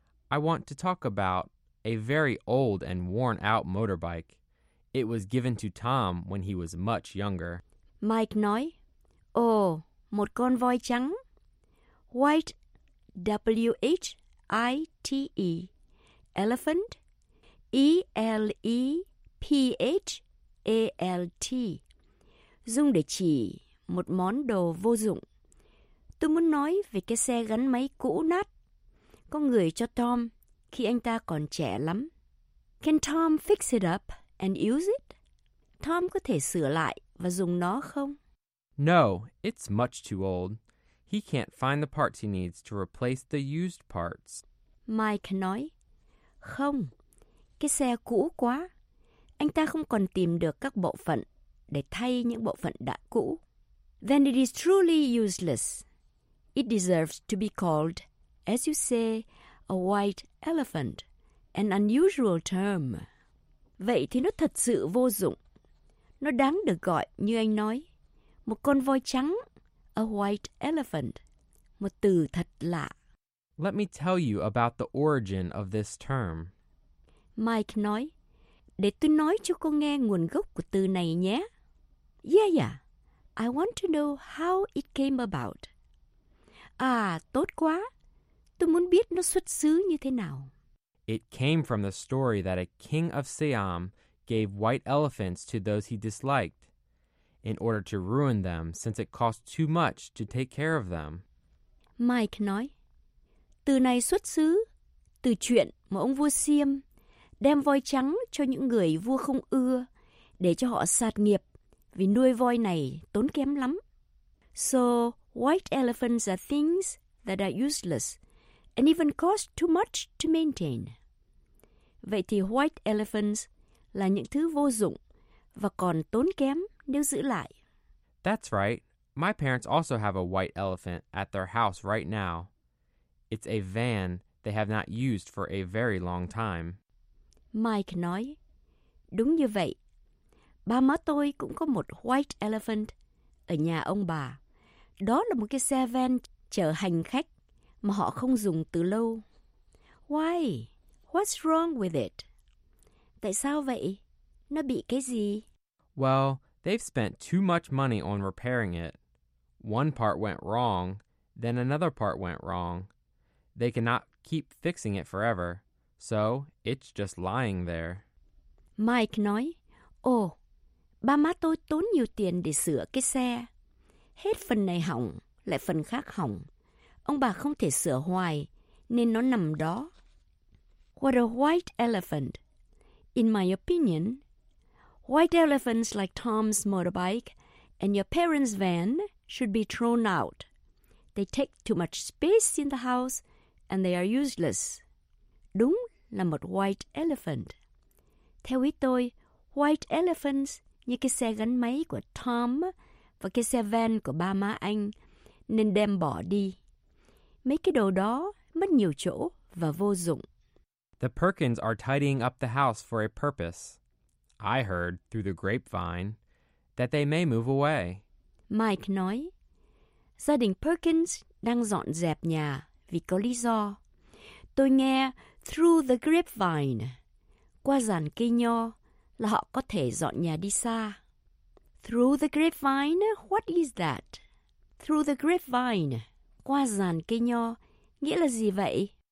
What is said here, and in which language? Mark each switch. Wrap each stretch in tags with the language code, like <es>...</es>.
<en>I want to talk about a very old and worn out motorbike. It was given to Tom when he was much younger.</en> <vi>Mike nói, một con voi trắng.</vi> <en>White, W-H-I-T-E. Elephant, E-L-E-P-H-A-L-T.</en> <vi>Dùng để chỉ một món đồ vô dụng. Tôi muốn nói về cái xe gắn máy cũ nát. con người cho Tom khi anh ta còn trẻ lắm.</vi> <en>Can Tom fix it up and use it?</en> <vi>Tom có thể sửa lại và dùng nó không?</vi> <en>No, it's much too old. He can't find the parts he needs to replace the used parts.</en> <vi>Mike nói, không, cái xe cũ quá. Anh ta không còn tìm được các bộ phận để thay những bộ phận đã cũ.</vi> <en>Then it is truly useless. It deserves to be called, as you say, a white elephant, an unusual term.</en> <vi>Vậy thì nó thật sự vô dụng. Nó đáng được gọi, như anh nói, một con voi trắng,</vi> <en>a white elephant,</en> <vi>một từ thật lạ.</vi> <en>Let me tell you about the origin of this term.</en> <vi>Mike nói, để tôi nói cho cô nghe nguồn gốc của từ này nhé.</vi> <en>Yeah, yeah. I want to know how it came about.</en> <vi>À, tốt quá. Tôi muốn biết nó xuất xứ như thế nào.</vi> <en>It came from the story that a king of Siam gave white elephants to those he disliked in order to ruin them since it cost too much to take care of them.</en> <vi>Mike nói, từ này xuất xứ, từ chuyện mà ông vua Siam đem voi trắng cho những người vua không ưa để cho họ sạt nghiệp vì nuôi voi này tốn kém lắm.</vi> <en>So, white elephants are things that are useless and even cost too much to maintain.</en> <vi>Vậy thì</vi> <en>white elephants</en> <vi>là những thứ vô dụng và còn tốn kém nếu giữ lại.</vi> <en>That's right. My parents also have a white elephant at their house right now. It's a van they have not used for a very long time.</en> <vi>Mike nói, đúng như vậy. Ba má tôi cũng có một</vi> <en>white elephant</en> <vi>ở nhà ông bà. Đó là một cái xe van chở hành khách mà họ không dùng từ lâu.</vi> <en>Why? What's wrong with it?</en> <vi>Tại sao vậy? Nó bị cái gì?</vi> <en>Well, they've spent too much money on repairing it. One part went wrong, then another part went wrong. They cannot keep fixing it forever, so it's just lying there.</en> <vi>Mike nói, oh, ba má tôi tốn nhiều tiền để sửa cái xe. Hết phần này hỏng, lại phần khác hỏng. Ông bà không thể sửa hoài, nên nó nằm đó.</vi> <en>What a white elephant. In my opinion, white elephants like Tom's motorbike and your parents' van should be thrown out. They take too much space in the house and they are useless.</en> <vi>Đúng là một</vi> <en>white elephant.</en> <vi>Theo ý tôi,</vi> <en>white elephants</en> <vi>như cái xe gắn máy của Tom và cái xe van của ba má anh nên đem bỏ đi. Mấy cái đồ đó mất nhiều chỗ và vô dụng.</vi> <en>The Perkins are tidying up the house for a purpose. I heard, through the grapevine, that they may move away.</en> <vi>Mike nói, gia đình Perkins đang dọn dẹp nhà vì có lý do. Tôi nghe</vi> <en>through the grapevine,</en> <vi>qua giàn cây nho, là họ có thể dọn nhà đi xa.</vi> <en>Through the grapevine, what is that? Through the grapevine,</en> <vi>qua giàn cây nho, nghĩa là gì vậy?</vi>